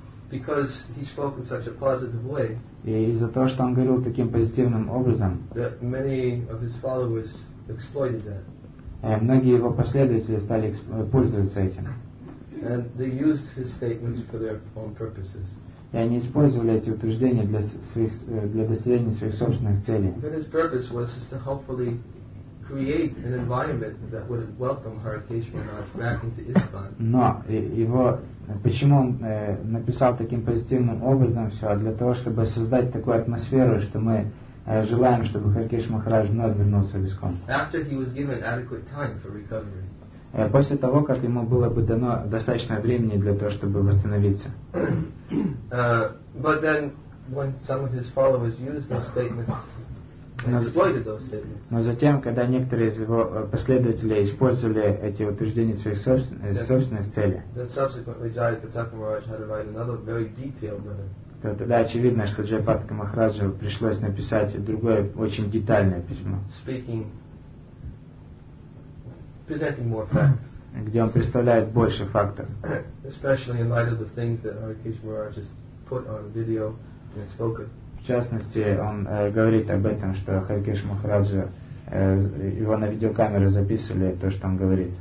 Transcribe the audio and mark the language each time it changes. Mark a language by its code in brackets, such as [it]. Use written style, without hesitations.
[en] Because he spoke in such a positive way. [ru] И из-за того, что он говорил таким позитивным образом. [en] That many of his followers exploited that. [ru] Многие его последователи стали пользоваться этим. [en] And they used his statements for their own purposes. [ru] И они использовали эти утверждения для своих, для достижения своих собственных целей. [en] But his purpose was to hopefully create an environment that would welcome Harikesh Maharaj back into ISKCON. [ru] Но его, почему он написал таким позитивным образом все, для того, чтобы создать такую атмосферу, что мы желаем, чтобы Харикеш Махарадж вновь вернулся в ИСККОН. [en] After he was given adequate time for recovery. [ru] После того, как ему было бы дано достаточно времени для того, чтобы восстановиться. [en] But then, when some of his followers used those statements, exploited those statements. [ru] Но затем, когда некоторые из его последователей использовали эти утверждения в своих собственных целях. [en] Then subsequently, Jayapataka Maharaj had to write another very detailed letter. [ru] Тогда очевидно, что Джайпатка Махараджу пришлось написать другое очень детальное письмо. [en] Speaking. Presenting more facts. [ru] Где он представляет больше фактов. [en] Especially in light of the things that Harikesh Maharaj just put on video and spoken. [ru] В частности, он говорит об этом, что Харикеш Махараджа его на видеокамеру записывали то, что он говорит.